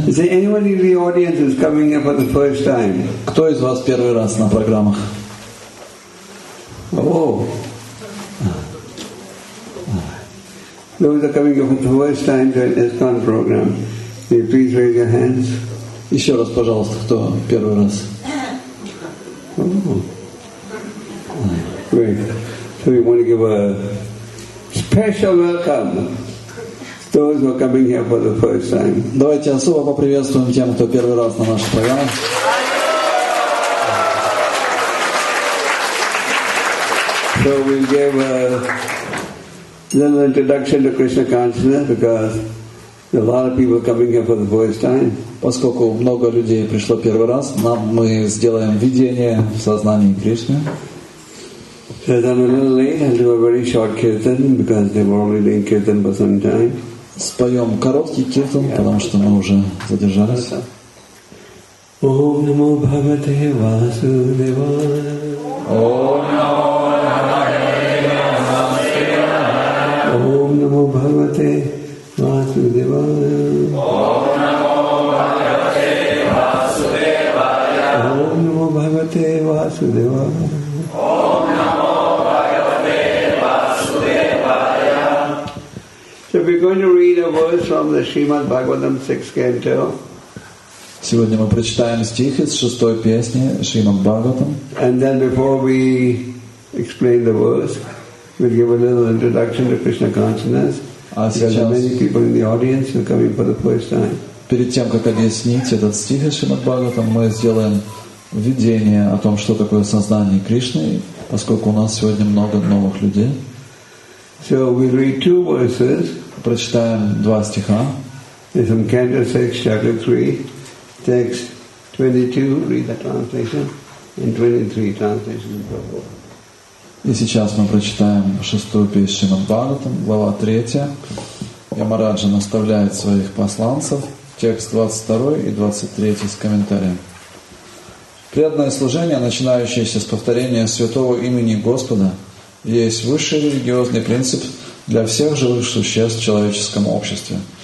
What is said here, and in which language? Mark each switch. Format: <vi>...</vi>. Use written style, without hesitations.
<en>Is there anybody in the audience who's coming here for the first time?</en> <ru>Кто из вас первый раз на программах?</ru> <en>Oh. Those are coming here for the first time to an ESKCON program. Can you please raise your hands?</en> <ru>Еще раз, пожалуйста, кто первый раз?</ru> <en>Oh. Great. So we want to give a special welcome. Those who are coming here for the first time.</en> <ru>Давайте особо поприветствуем тем, кто первый раз на нашей программе.</ru> <en>So we give a little introduction to Krishna consciousness because a lot of people coming here for the first time.</en> <ru>Поскольку много людей пришло первый раз, нам мы сделаем введение в сознание Кришны.</ru> <en>So I'm a little late. I'll do a very short kirtan because they've already been kirtan for some time.</en> <ru>Споем короткий киртан, потому что мы уже задержались.</ru> <sa>Ом намо бхагавате васудевая. Ом намо бхагавате васудевая. Ом намо бхагавате васудевая. Ом намо бхагавате васудевая. Ом намо бхагавате васудевая.</sa> <en>We're going to read a verse from the Srimad Bhagavatam 6th canto.</en> <ru>Сегодня мы прочитаем стих из шестой песни Шримад Бхагаватам.</ru> <en>And then before we explain the verse, we'll give a little introduction to Krishna consciousness.</en> <ru>А сейчас</ru> <en>there are many people in the audience who are coming for the first time.</en> <ru>Перед тем как объяснить этот стих из Шримад Бхагаватам, мы сделаем введение о том, что такое сознание Кришны, поскольку у нас сегодня много новых людей.</ru> <en>So we read two verses.</en> <ru>Прочитаем два стиха.</ru> <en>It's from Canto 6, chapter 3, text 22. Read the translation and 23 translation.</en> <ru>И сейчас мы прочитаем шестую песню Шримад Бхагаватам, глава 3. Ямараджа наставляет своих посланцев. Текст 22 и 23 с комментарием. Преданное служение, начинающееся с повторения святого имени Господа, есть высший религиозный принцип для всех живых существ в человеческом обществе.</ru>